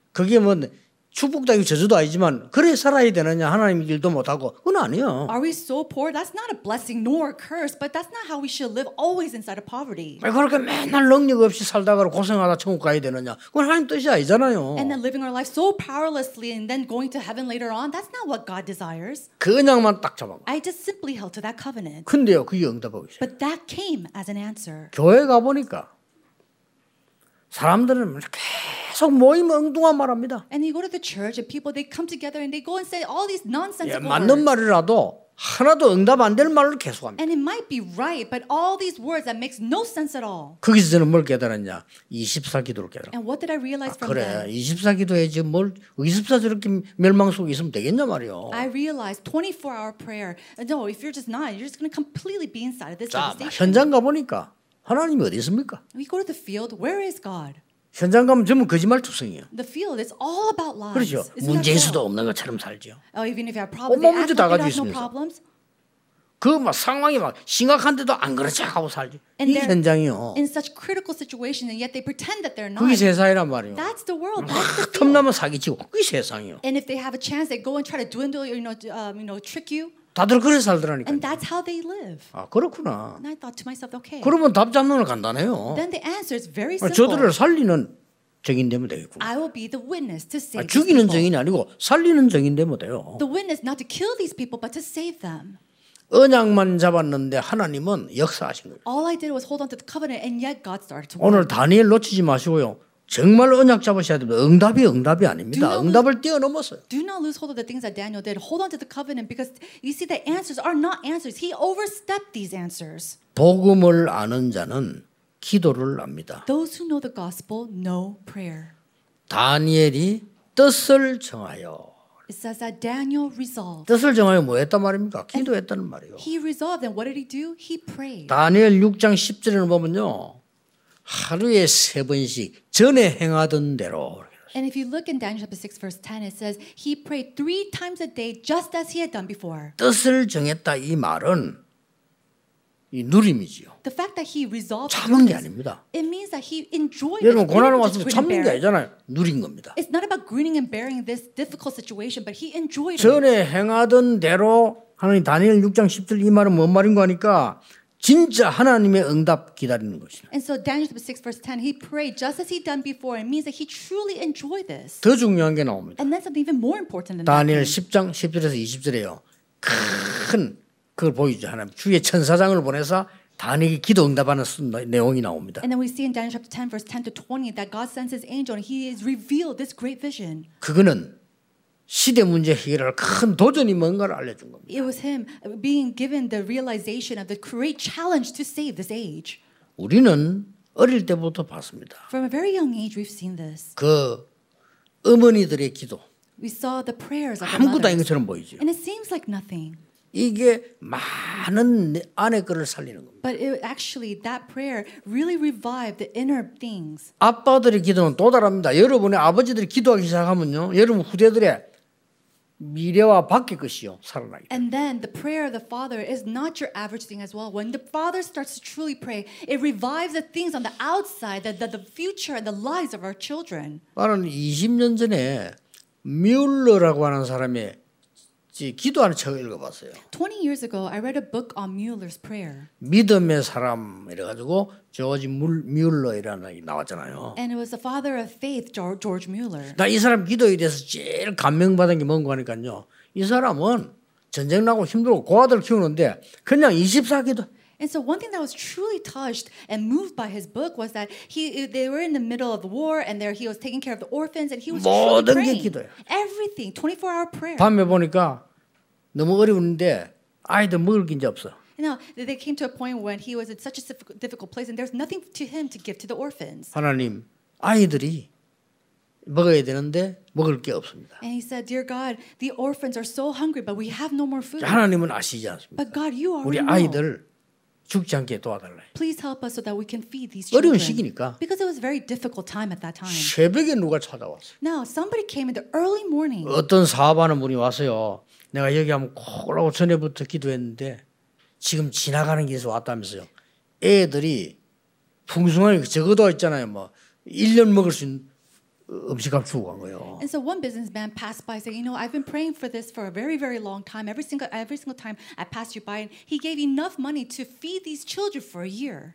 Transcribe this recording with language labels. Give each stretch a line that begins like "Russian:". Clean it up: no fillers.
Korean: 그게 뭐 축복도 아니고 저주도 아니지만 그래 살아야 되느냐 하나님 일도 못하고 그건 아니에요.
English: Are we so poor? That's not a blessing nor a curse, but that's not how we should live always inside of poverty.
Korean: 왜 그렇게 맨날 능력 없이 살다가 고생하다 천국 가야 되느냐 그건 하나님 뜻이 아니잖아요.
English: And then living our life so powerlessly and then going to heaven later on, that's not what God desires.
Korean: 그 언약만 딱 잡아봐.
English: I just simply held to that covenant.
Korean: 근데요 그게 응답하고 있어요.
English: But that came as an answer.
Korean: 교회 가보니까 사람들은 이렇게 계속 모임 엉뚱한 말합니다.
English: And you go to the church and people they come together and they go and say all these nonsensical words.
Korean: 맞는 말이라도 하나도 응답 안 될 말을 계속합니다.
English: And it might be right, but all these words that makes no sense at all.
Korean: 거기서 저는 뭘 깨달았냐? 24기도를 깨달아.
English: And what did I realize from that?
Korean: 그래, 24기도에 지금 뭘 24 저렇게 멸망 속에 있으면 되겠냐 말이요.
English: I realized 24-hour prayer. No, if you're just not, you're just going to completely be inside of this devastation.
Korean: 자, 현장 가 보니까 하나님이 어디 있습니까?
English: We go to the field. Where is God?
Korean: 현장 가면 전부 거짓말 투성이에요.
English: The field is all about lies.
Korean: 그렇죠. 문제 있어도 없는 것처럼 살죠.
English: Oh, even if you have problems, they act like you have no problems.
Korean: 그 막 상황이 막 심각한데도 안 그렇지 하고 살죠. 이 현장이요.
English: In such critical situations, and yet they pretend that they're not.
Korean: 그게 세상이란 말이에요.
English: That's the world.
Korean: 막 틈나면 사기치고 그게 세상이요.
English: And if they have a chance, they go and try to dwindle, you know, trick you.
Korean: 다들 그래 살더라니까.
English: And that's how they live.
Korean: 아 그렇구나.
English: And I thought to myself, okay.
Korean: 그러면 답 잡는 건 간단해요.
English: Then the answer is very simple.
Korean: 저들을 살리는 증인 되면 되겠고.
English: I will be the witness to save.
Korean: 아, 죽이는 증인이 아니고 살리는 증인 되면 돼요.
English: The witness not to kill these people, but to save them.
Korean: 언약만 잡았는데 하나님은 역사하신 거예요.
English: All I did was hold on to the covenant, and yet God started to work.
Korean: 오늘 다니엘 놓치지 마시고요. 정말 언약 잡으셔야 됩니다. 응답이 응답이 아닙니다. 응답을 뛰어넘었어요.
English: Do not lose hold of the things that Daniel did. Hold on to the covenant because you see the answers are not answers. He overstepped these answers.
Korean: 복음을 아는 자는 기도를 압니다.
English: Those who know the gospel know prayer.
Korean: 다니엘이 뜻을 정하여.
English: It says that Daniel resolved.
Korean: 뜻을 정하여 뭐 했단 말입니까? 기도했다는 말이요.
English: He resolved and what did he do? He prayed.
Korean: 다니엘 6장 10절을 보면요. 하루에 세 번씩 전에 행하던 대로.
English: And if you look in Daniel chapter 6 verse 10 it says he prayed three times a day just as he had done before.
Korean: 뜻을 정했다 이 말은 이 누림이지요.
English: The fact that he resolved
Korean: 참은 게 아닙니다.
English: It means that he enjoyed.
Korean: 여러분 고난을 와서 참는 게 아니잖아요. 누린 겁니다.
English: It's not about grinning and bearing this difficult situation but he enjoyed it.
Korean: 전에 행하던 대로 하나님 다니엘 6장 10절 이 말은 뭔 말인 거 아니까 진짜 하나님의 응답 기다리는 것이야.
English: And so Daniel 6 verse 10, he prayed just as he'd done before. It means that he truly enjoyed this.
Korean: 더 중요한 게 나옵니다.
English: And that's something even more important than
Korean: 다니엘 10장 10절에서 20절에요. 큰 그걸 보이죠 하나님. 주의 천사장을 보내서 다니엘이 기도 응답하는 내용이 나옵니다.
English: And then we see in Daniel chapter 10 verse 10 to 20 that God sends His angel and He is revealed this great vision.
Korean: 그거는 시대 문제 해결할 큰 도전이 뭔가를 알려준 겁니다.
English: It was him being given the realization of the great challenge to save this age.
Korean: 우리는 어릴 때부터 봤습니다.
English: From a very young age, we've seen this.
Korean: 그 어머니들의 기도.
English: We saw the prayers of the mothers.
Korean: 아무것도 아닌 것처럼 보이죠.
English: And it seems like nothing.
Korean: 이게 많은 아내 것을 살리는 겁니다.
English: But it, actually, that prayer really revived the inner things.
Korean: 아빠들의 기도는 또 다릅니다. 여러분의 아버지들이 기도하기 시작하면요, 여러분 후대들의 미래와 밖의 것이요 살아나게.
English: And then the prayer of the father is not your average thing as well. When the father starts to truly pray, it revives the things on the outside, the future and the lives of our children.
Korean: 나는 20년 전에 뮬러라고 하는 사람의 기도하는 책을 읽어봤어요.
English: 20 years ago, I read a book on Mueller's prayer.
Korean: 믿음의 사람 이래가지고 조지 뮬러라는 게 나왔잖아요.
English: And it was the father of faith, George Mueller.
Korean: 나 이 사람 기도에 대해서 제일 감명받은 게 뭔가 하니까요. 이 사람은 전쟁 나고 힘들고 고아들 키우는데 그냥 24기도.
English: And so one thing that was truly touched and moved by his book was that they were in the middle of the war and there he was taking care of the orphans and he was truly praying.
Korean: 기도야.
English: Everything, 24-hour prayer.
Korean: 밤에 보니까 너무 어려운데 아이들 먹을 게 이제 없어.
English: You know, they came to a point when he was in such a difficult place and there's nothing to him to give to the orphans.
Korean: 하나님, 아이들이 먹어야 되는데 먹을 게 없습니다.
English: And he said, "Dear God, the orphans are so hungry, but we have no more food."
Korean: 하나님은 아시지 않습니다.
English: But God, you already
Korean: 우리 아이들 죽지 않게 도와달래.
English: Please help us so that we can feed these children.
Korean: 어려운 시기니까.
English: Because it was a very difficult time at that time.
Korean: 새벽에 누가 찾아왔어?
English: Now somebody came in the early morning.
Korean: 어떤 사업하는 분이 왔어요. 내가 여기 한번 꼭 오라고 전에부터 기도했는데 지금 지나가는 길에서 왔다면서요. 애들이 풍성하게 적어도 있잖아요. 뭐 1년 먹을 수 있는 음식값 주고 간 거예요.
English: And so one businessman passed by saying, "You know, I've been praying for this for a very, very long time. Every single time I pass you by, and he gave enough money to feed these children for a year."